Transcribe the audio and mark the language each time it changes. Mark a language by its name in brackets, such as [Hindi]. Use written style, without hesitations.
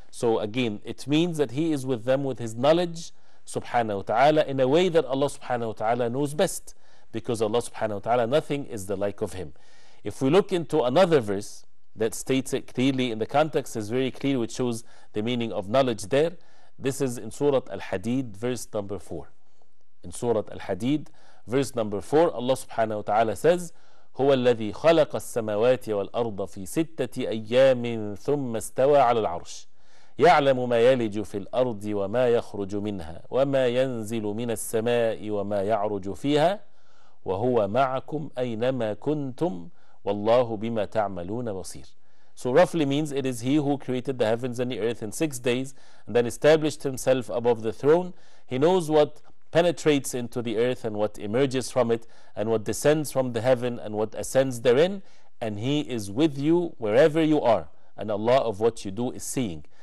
[English] So again, it means that he is with them with his knowledge subhanahu wa ta'ala, in a way that Allah subhanahu wa ta'ala knows best, because Allah subhanahu wa ta'ala, nothing is the like of him. If we look into another verse that states it clearly in the context, is very clear, which shows the meaning of knowledge there. This is in Surah Al-Hadid, verse number 4. In Surah Al-Hadid, verse number 4, Allah subhanahu wa ta'ala says, [Arabic] هُوَ الَّذِي خَلَقَ السَّمَوَاتِ وَالْأَرْضَ فِي سِتَّةِ أَيَّامٍ ثُمَّ اسْتَوَى عَلَى الْعَرْشِ يعلم ما يلج في الأرض وما يخرج منها وما ينزل من السماء وما يعرج فيها وهو معكم أينما كنتم والله بما تعملون بصير. [English] So roughly means it is he who created the heavens and the earth in 6 days and then established himself above the throne. He knows what penetrates into the earth and what emerges from it and what descends from the heaven and what ascends therein, and he is with you wherever you are, and Allah of what you do is seeing.